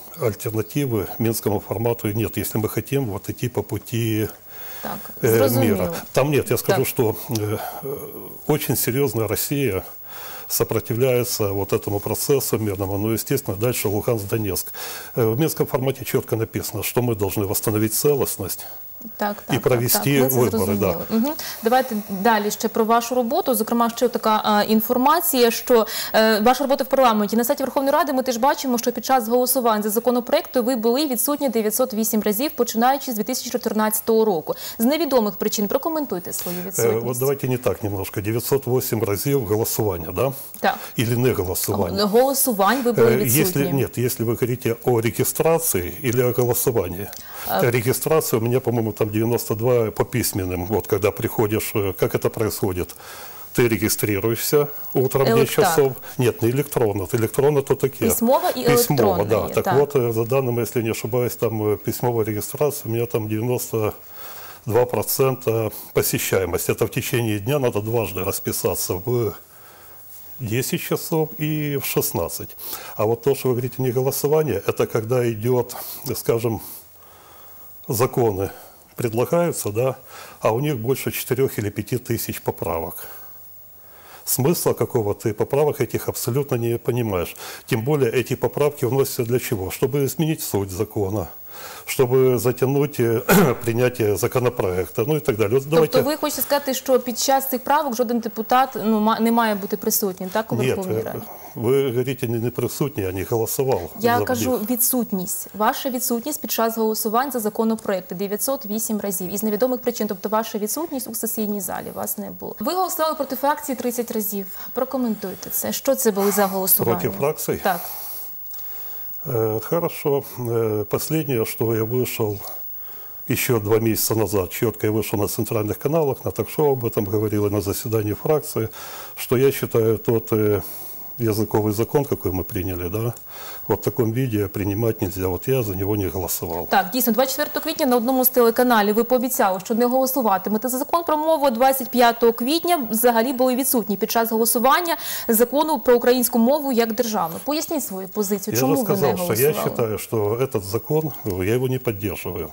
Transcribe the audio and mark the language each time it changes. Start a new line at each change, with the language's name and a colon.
Russian: Альтернативы Минскому формату нет, если мы хотим вот идти по пути мира. Там нет, я скажу, что очень серьезная Россия сопротивляется вот этому процессу мирному, ну, естественно, дальше Луганск-Донецк. В Минском формате четко написано, что мы должны восстановить целостность.
Ukrainian: Так, і провести вибори. Да. Давайте далі ще про вашу роботу. Зокрема, ще така інформація, що ваша робота в парламенті. На сайті Верховної Ради ми теж бачимо, що під час голосувань за законопроекти ви були відсутні 908 разів, починаючи з 2014 року. З невідомих причин прокоментуйте свою відсутність. От давайте не так немножко. 908 разів голосування, да? Так.
Russian: Или не голосування?
Ukrainian: Голосувань ви були відсутні. Якщо ви говорите о реєстрації или о голосуванні.
Russian: Регистрация у меня, по-моему, там 92 по письменным. Вот когда приходишь, как это происходит? Ты регистрируешься утром 10 часов. Нет, не электронно. Электронно то такие.
Ukrainian: Письмово,
Russian: да. Так вот, за данным, если не ошибаюсь, там письмовая регистрация, у меня там 92% посещаемость. Это в течение дня надо дважды расписаться в 10 часов и в 16. А вот то, что вы говорите, не голосование, это когда идет, скажем, законы предлагаются, да, а у них больше 4 или 5 тысяч поправок. Смысла какого ты поправок этих абсолютно не понимаешь. Тем более эти поправки вносятся для чего? Чтобы изменить суть закона, чтобы затянуть принятие законопроекта, ну и так далее. Вот давайте...
Ukrainian: Тобто ви хочете сказати, що під час цих правок жоден депутат не має бути присутнім, так, у Верховній Раді? Ви говорите, не присутні, а не голосував. Я кажу, відсутність. Ваша відсутність під час голосувань за законопроекти 908 разів. Із невідомих причин, тобто ваша відсутність у сесійній залі, вас не було. Ви голосували проти фракції 30 разів. Прокоментуйте це. Що це були за голосування? Проти фракції? Так.
Russian: Хорошо. Последнее, что я вышел еще два месяца назад, четко я вышел на центральных каналах, на ток-шоу об этом говорил и на заседании фракции, что я считаю тот языковый закон, какой мы приняли, да, вот в таком виде принимать нельзя. Вот я за него не голосовал.
Ukrainian: Так, дійсно, 24 квітня на одному з телеканалів ви пообіцяли, що не голосуватимете за закон про мову. 25 квітня взагалі були відсутні під час голосування закону про українську мову як державну. Поясніть свою позицію, чому ви не голосували? Я вже сказав, що я вважаю, що цей закон, я його не підтримую.